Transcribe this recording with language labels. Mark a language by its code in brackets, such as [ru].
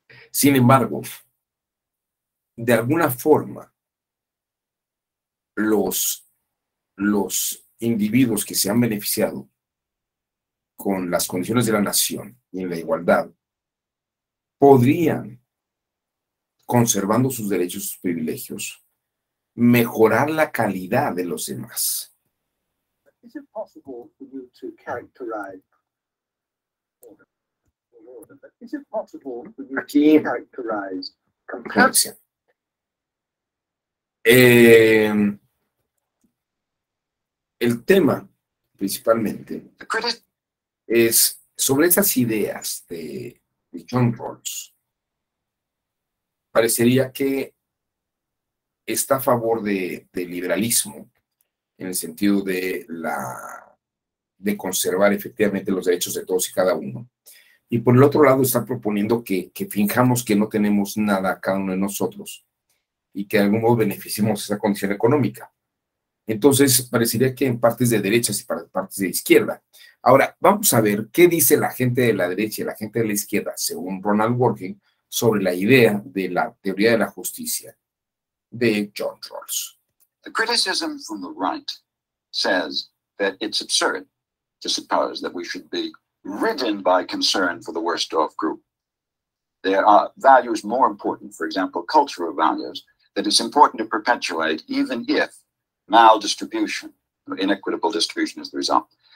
[es] Sin embargo, de alguna forma, los individuos que se han beneficiado con las condiciones de la nación y en la igualdad, podrían, conservando sus derechos y sus privilegios, mejorar la calidad de los demás. [en] Is it possible for you to characterize order? Is it possible for you to characterize comparison? [es] El tema, principalmente, es sobre esas ideas de John Rawls, parecería que está a favor de liberalismo en el sentido de de conservar efectivamente los derechos de todos y cada uno. Y por el otro lado está proponiendo que finjamos que no tenemos nada cada uno de nosotros y que de algún modo beneficiemos esa condición económica. Entonces, parecería que en partes de derechas y partes de izquierda. Ahora, vamos a ver qué dice la gente de la derecha y la gente de la izquierda, según Ronald Working, sobre la idea de la teoría de la justicia de John Rawls. [en] The criticism from the right says that it's absurd to suppose that we should be ridden by concern for the worst off group. There are values more important, for example, cultural values, that it's important to perpetuate even if maldistribution or inequitable distribution is the result.